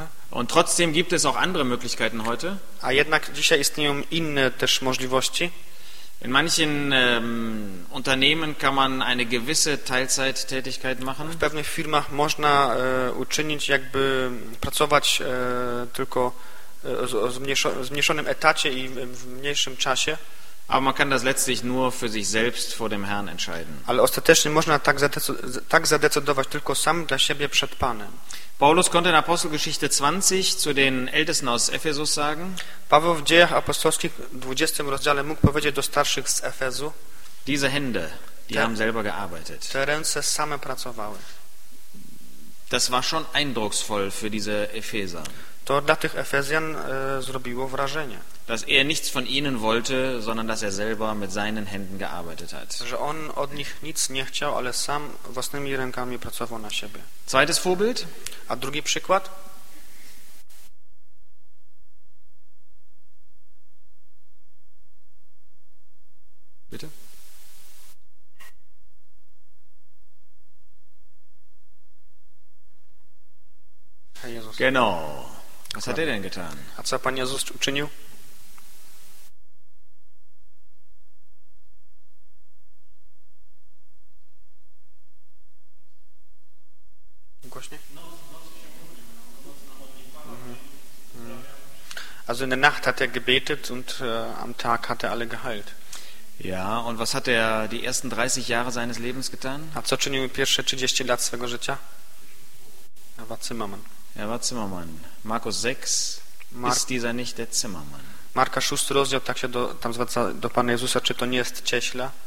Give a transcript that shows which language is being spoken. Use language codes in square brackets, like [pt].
[de] Und trotzdem gibt es auch andere Möglichkeiten heute. [pl] A jednak dzisiaj istnieją inne też możliwości. [de] In manchen Unternehmen kann man eine gewisse Teilzeittätigkeit machen. [pl] W pewnych firmach można uczynić jakby pracować tylko w zmniejszonym etacie i w mniejszym czasie. [de] Aber man kann das letztlich nur für sich selbst vor dem Herrn entscheiden. [pl] Ale ostatecznie można tak zadecydować tylko sam dla siebie przed Panem. [de] Paulus konnte in Apostelgeschichte 20 zu den Ältesten aus Ephesus sagen. [pl] Paweł w Dziejach Apostolskich w 20 rozdziale mógł powiedzieć do starszych z Efezu. [de] Diese Hände, die haben selber gearbeitet. [pl] Te ręce same pracowały. [de] Das war schon eindrucksvoll für diese Epheser. [pl] To dla tych Efezjan zrobiło wrażenie. [de] Dass er nichts von ihnen wollte, sondern dass er selber mit seinen Händen gearbeitet hat. [pl] Że on od nich nic nie chciał, ale sam własnymi rękami pracował na siebie. [de] Zweites Vorbild. [pl] A drugi przykład. [de] Bitte. Herr Jesus. Genau. Was hat er denn getan? [pl] A co Pan Jezus uczynił? Głośniej? [de] Also in der Nacht hat er gebetet und am Tag hat er alle geheilt. Ja, und was hat er die ersten 30 Jahre seines Lebens getan? [pl] A co czynił pierwsze 30 lat swego życia? [de] Er war Zimmermann. Er war Zimmermann. Markus 6 ist dieser nicht der Zimmermann. [pl] Marka 6 rozdział, tak się do, tam zwraca do Pana Jezusa, czy to nie jest cieśla?